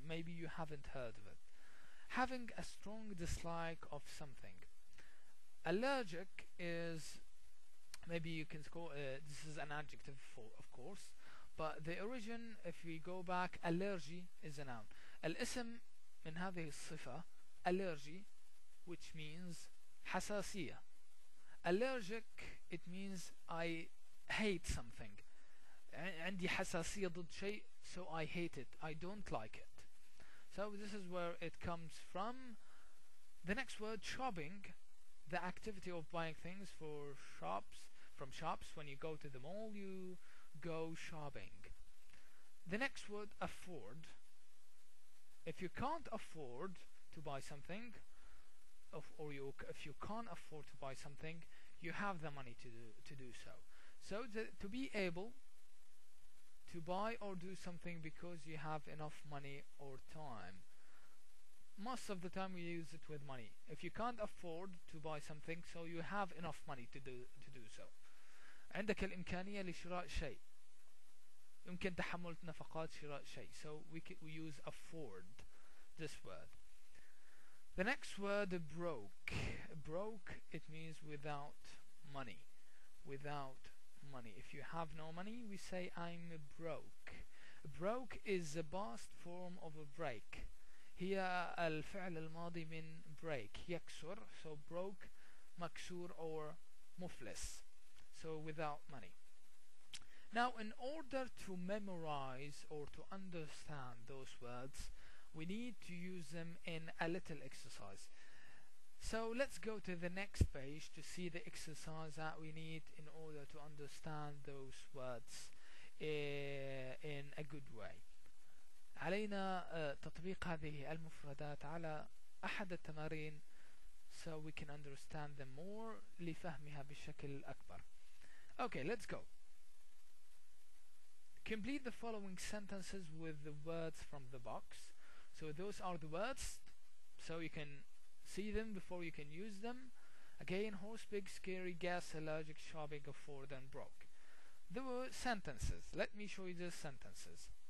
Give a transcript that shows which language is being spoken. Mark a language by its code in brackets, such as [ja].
[en] Maybe you haven't heard of it. Having a strong dislike of something. Allergic is, maybe you can call this is an adjective for, of course, but the origin, if we go back, allergy is a noun. [ar] الاسم من هذه الصفة [en] allergy, which means [ar] حساسية. [en] Allergic, it means I hate something. [ar] عندي حساسية ضد شيء, [en] so I hate it. I don't like it. So this is where it comes from. The next word, shopping. The activity of buying things for shops, from shops. When you go to the mall, you go shopping. The next word, afford. If you can't afford to buy something, or you, if you can't afford to buy something, you have the money to do so. So to be able to buy or do something because you have enough money or time. Most of the time we use it with money. If you can't afford to buy something, so you have enough money to do so. [ar] عندك الإمكانية لشراء شيء. يمكن تحمل نفقات شراء شيء. [en] So we use afford, this word. The next word, broke. Broke, it means without money. Without money. If you have no money, we say I'm broke. Broke is a past form of a break. [ar] هي الفعل الماضي من break. يكسر. [en] So broke, مكسور or مفلس. So without money. Now, in order to memorize or to understand those words, we need to use them in a little exercise. So let's go to the next page to see the exercise that we need in order to understand those words in a good way. [ar] علينا تطبيق هذه المفردات على أحد التمارين [en] so we can understand them more [ar] لفهمها بشكل أكبر. [en] Okay, let's go. Complete the following sentences with the words from the box. So those are the words, so you can see them before you can use them. Again, horse, big, scary, gas, allergic, shopping, afford, and broke. The sentences. Let me show you the sentences.